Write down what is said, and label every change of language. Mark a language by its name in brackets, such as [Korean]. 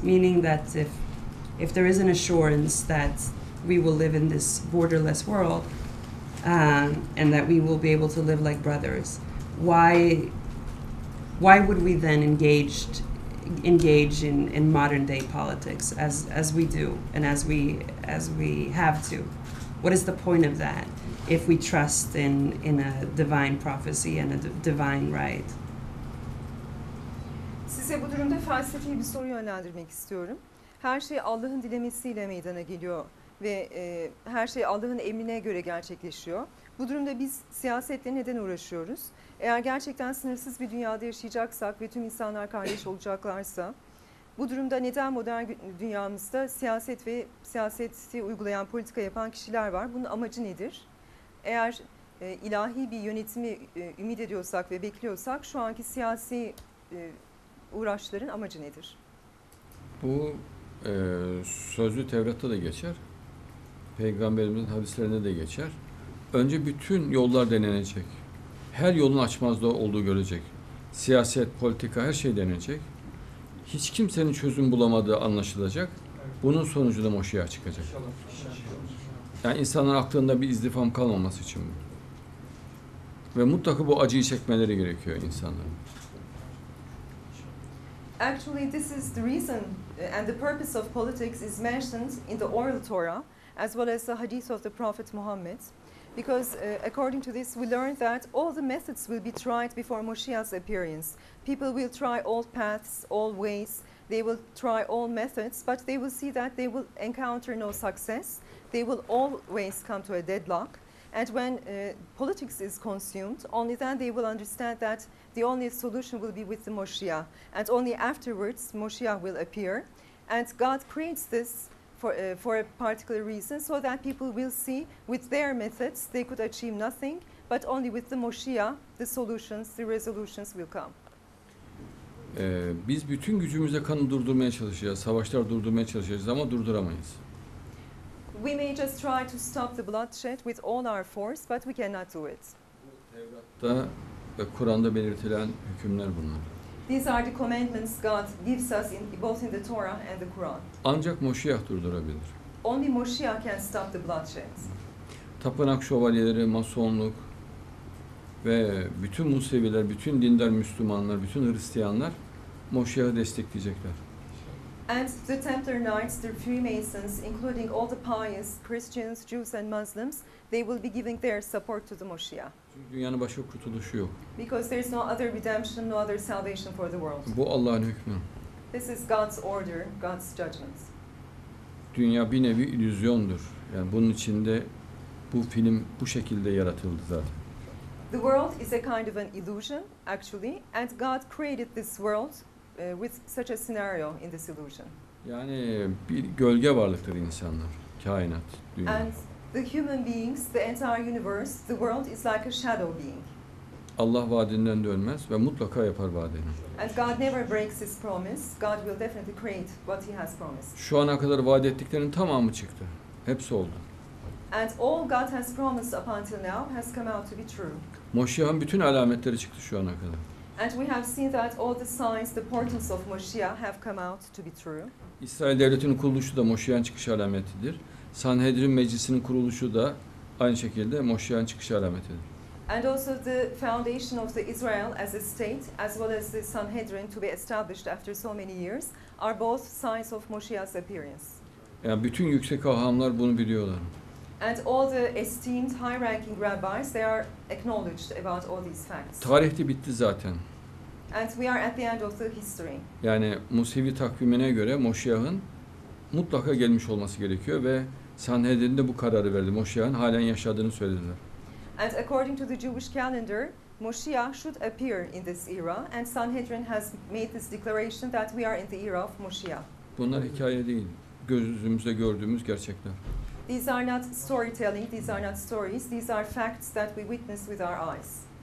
[English] Meaning that if there is an assurance that we will live in this borderless world and that we will be able to live like brothers, why would we then engage in modern day politics as we do and as we have to? What is the point of that if we trust in a divine prophecy and a divine right? [Turkish] Size bu durumda felsefi bir soru yönlendirmek istiyorum. Her şey Allah'ın dilemesiyle meydana geliyor ve her şey Allah'ın emrine göre gerçekleşiyor. Bu durumda biz siyasetle neden uğraşıyoruz? Eğer gerçekten sınırsız bir dünyada yaşayacaksak ve tüm insanlar kardeş olacaklarsa, bu durumda neden modern dünyamızda siyaset ve siyaseti uygulayan, politika yapan kişiler var? Bunun amacı nedir? Eğer ilahi bir yönetimi ümit ediyorsak ve bekliyorsak, şu anki siyasi uğraşların amacı nedir? Bu sözlü Tevrat'ta da geçer. Peygamberimizin hadislerinde de geçer. Önce bütün yollar denenecek. Her yolun açmazda olduğu görecek. Siyaset, politika, her şey denenecek. Hiç kimsenin çözüm bulamadığı anlaşılacak. Bunun sonucu da Moşiyah çıkacak. Yani insanların aklında bir izdifam kalmaması için bu. Ve mutlaka bu acıyı çekmeleri gerekiyor insanların. [English] Actually, this is the reason and the purpose of politics is mentioned in the Oral Torah as well as the Hadith of the Prophet Muhammad. because according to this, we learned that all the methods will be tried before Moshiach's appearance. People will try all paths, all ways. They will try all methods, but they will see that they will encounter no success. They will always come to a deadlock. And when politics is consumed, only then they will understand that the only solution will be with the Moshiach. And only afterwards, Moshiach will appear. And God creates this for a particular reason, so that people will see with their methods they could achieve nothing, but only with the Moshiach, the solutions, the resolutions will come. [Turkish] Biz bütün gücümüzle kanı durdurmaya çalışacağız, savaşlar durdurmaya çalışacağız ama durduramayız. [English] We may just try to stop the bloodshed with all our force, but we cannot do it. [Turkish] Tevrat'ta ve Kur'an'da belirtilen hükümler bunlar. [English] These are the commandments God gives us in both in the Torah and the Quran. [Turkish] Ancak Moşiyah durdurabilir. [English] Only Moşiyah can stop the bloodshed. [Turkish] Tapınak şövalyeleri, masonluk ve bütün Museviler, bütün dindar Müslümanlar, bütün Hristiyanlar Moşiyah'ı destekleyecekler. [English] And the Templar Knights, the Freemasons, including all the pious Christians, Jews and Muslims, they will be giving their support to the Moshiach. [Turkish] Çünkü dünyanın başka kurtuluşu yok. [English] Because there is no other redemption, no other salvation for the world. [Turkish] Bu Allah'ın hükmü. [English] This is God's order, God's judgments. [Turkish] Dünya bir nevi illüzyondur. Yani bunun içinde bu film bu şekilde yaratıldı zaten. [English] The world is a kind of an illusion, actually, and God created this world with such a scenario in this illusion. [Turkish] Yani bir gölge varlıktır insanlar, kainat, dünya. [English] And the human beings, the entire universe, the world is like a shadow being. [Turkish] Allah vaadinden dönmez ve mutlaka yapar vaadini. [English] And God never breaks his promise. God will definitely create what he has promised. [Turkish] Şu ana kadar vaat ettiklerinin tamamı çıktı. Hepsi oldu. [English] And all God has promised up until now has come out to be true. [Turkish] Moşiyah'ın bütün alametleri çıktı şu ana kadar. [English] And we have seen that all the signs, the portents of Moshiach have come out to be true. [Turkish] İsrail devletinin kuruluşu da Moşiyah'ın çıkış alametidir. Sanhedrin meclisinin kuruluşu da aynı şekilde Moşiyah'ın çıkış alametidir. [English] And also the foundation of the Israel as a state, as well as the Sanhedrin to be established after so many years, are both signs of Moshiach's appearance. [Turkish] Yani bütün yüksek ahamlar bunu biliyorlar. [English] And all the esteemed high-ranking rabbis, they are acknowledged about all these facts. [Turkish] Tarih de bitti zaten. [English] And we are at the end of the history. [Turkish] Yani Musevi takvimine göre Moşiyah'ın mutlaka gelmiş olması gerekiyor ve Sanhedrin de bu kararı verdi. Moşiyah'ın halen yaşadığını söylediler. [English] And according to the Jewish calendar, Moshiach should appear in this era, and Sanhedrin has made this declaration that we are in the era of Moshiach. [Turkish] Bunlar hikaye değil. Gözümüzde gördüğümüz gerçekler. [English] These are not storytelling, these are not stories, these are facts that we witness with our eyes.